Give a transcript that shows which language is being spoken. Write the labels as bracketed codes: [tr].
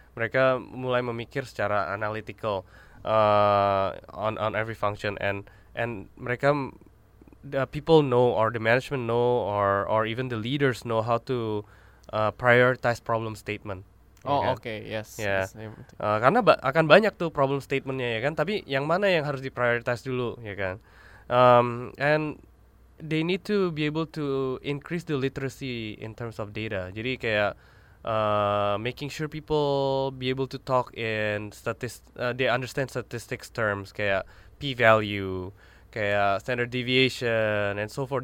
[id] Mereka mulai memikir secara [en] analytical on every function, and mereka the people know, or the management know, or even the leaders know how to prioritize problem statement. Oh, kan? Okay, yes. [id] Yeah. Yes. Karena akan banyak tuh problem statementnya ya kan. Tapi yang mana yang harus diprioritize dulu ya kan? [en] And they need to be able to increase the literacy in terms of data. [id] Jadi kayak [en] making sure people be able to talk in they understand statistics terms kayak p-value, kayak standard deviation, and so forth.